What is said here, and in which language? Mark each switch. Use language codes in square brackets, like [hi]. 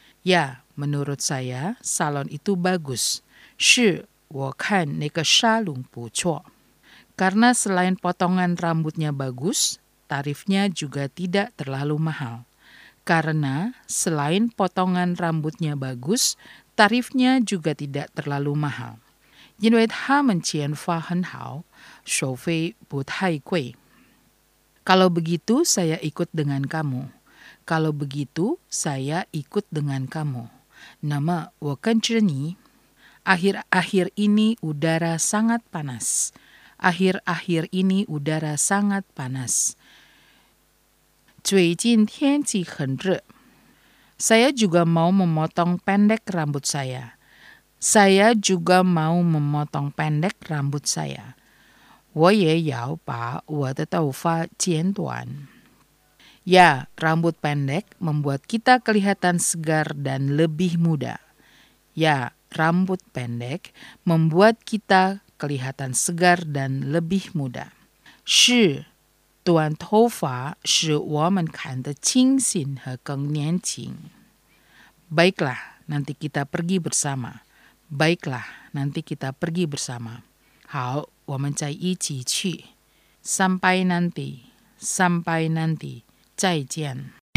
[id] Ya, menurut saya salon itu bagus. [zh] 是，我看那个沙龙不错。 [id] Karena selain potongan rambutnya bagus, tarifnya juga tidak terlalu mahal. Karena selain potongan rambutnya bagus, tarifnya juga tidak terlalu mahal. [zh] 因为他们剪发很好，收费不太贵。 [id] Kalau begitu, saya ikut dengan kamu. Kalau begitu, saya ikut dengan kamu. Nama, [zh] 我跟着你。 [id] Akhir-akhir ini udara sangat panas. Akhir-akhir ini udara sangat panas. [zh] 最近天气很热。 [id] Saya juga mau memotong pendek rambut saya. Saya juga mau memotong pendek rambut saya. [zh] 我也要把我的头发剪短。 [id] Ya, rambut pendek membuat kita kelihatan segar dan lebih muda. Ya, rambut pendek membuat kita kelihatan segar dan lebih muda. [zh] 是, 短头发使我们看得清醒和更年轻。 [id] Baiklah, nanti kita pergi bersama. Baiklah, nanti kita pergi bersama. [zh] 好,我们再一起去。 [id] Sampai nanti, sampai nanti, [zh] 再见。